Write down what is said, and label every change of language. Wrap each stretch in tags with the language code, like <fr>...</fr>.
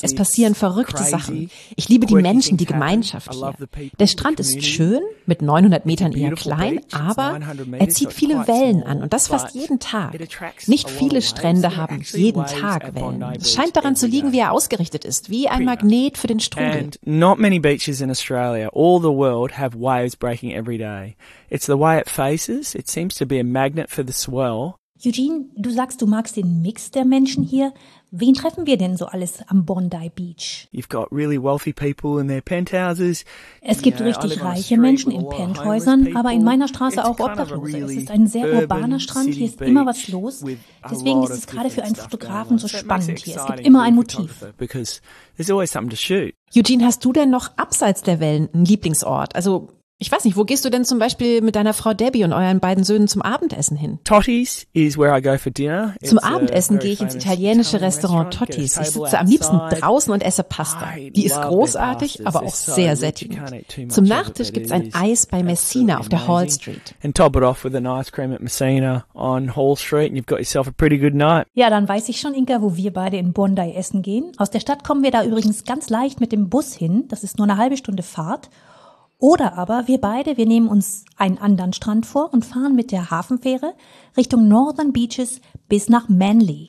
<de>Es passieren verrückte Sachen. Ich liebe die Menschen, die Gemeinschaft hier. Der Strand ist schön, mit 900 Metern eher klein, aber er zieht viele Wellen an und das fast jeden Tag. Nicht viele Strände haben jeden Tag Wellen. Es scheint daran zu liegen, wie er ausgerichtet ist, wie ein Magnet für den Strudel.</de> <en>And not many beaches in Australia, all the world, have waves breaking every day. It's the way it faces. It seems to be a magnet for the swell.</en> <de>Eugene, du sagst, du magst den Mix der Menschen hier. Wen treffen wir denn so alles am Bondi Beach?</de> <en>You've got really wealthy people in their penthouses.</en> <de>Es gibt richtig reiche Menschen in Penthäusern, aber in meiner Straße auch Obdachlose. Es ist ein sehr urbaner Strand, hier ist immer was los. Deswegen ist es gerade für einen Fotografen so spannend hier. Es gibt immer ein Motiv. Eugene, hast du denn noch abseits der Wellen einen Lieblingsort? Also ich weiß nicht, wo gehst du denn zum Beispiel mit deiner Frau Debbie und euren beiden Söhnen zum Abendessen hin?</de> <en>Totti's is where I go for dinner.</en> <de>Zum Abendessen gehe ich ins italienische Restaurant Totti's. Ich sitze am liebsten draußen und esse Pasta. Die ist großartig, aber auch sehr sättigend. Zum Nachtisch gibt's ein Eis bei Messina auf der Hall Street.</de> <en>And top it off with an ice cream at Messina on Hall Street and you've got yourself a pretty good night.</en> <de>Ja, dann weiß ich schon, Inka, wo wir beide in Bondi essen gehen. Aus der Stadt kommen wir da übrigens ganz leicht mit dem Bus hin. Das ist nur eine halbe Stunde Fahrt. Oder aber wir nehmen uns einen anderen Strand vor und fahren mit der Hafenfähre Richtung Northern Beaches bis nach Manly.</de>